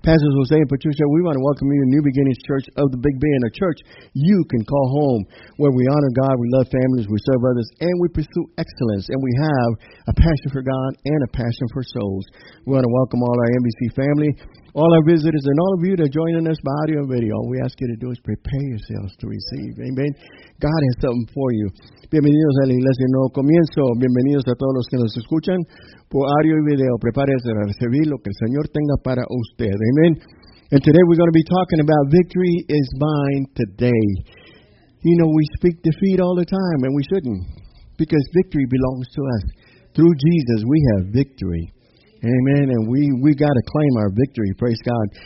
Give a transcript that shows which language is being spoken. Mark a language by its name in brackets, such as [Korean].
[English] Pastors Jose and Patricia, we want to welcome you to New Beginnings Church of the Big Bend, a church you can call home, where we honor God, we love families, we serve others, and we pursue excellence. And we have a passion for God and a passion for souls. We want to welcome all our NBC family, all our visitors, and all of you that are joining us by audio and video. All we ask you to do is prepare yourselves to receive. Amen. God has something for you. [Spanish] Bienvenidos a la Iglesia Nuevo Comienzo. Bienvenidos a todos los que nos escuchan por audio y video. Prepárense a recibir lo que el Señor tenga para usted. [English] Amen. And today we're going to be talking about victory is mine today. You know, we speak defeat all the time, and we shouldn't, because victory belongs to us. Through Jesus, we have victory. Amen. And we got to claim our victory. Praise God.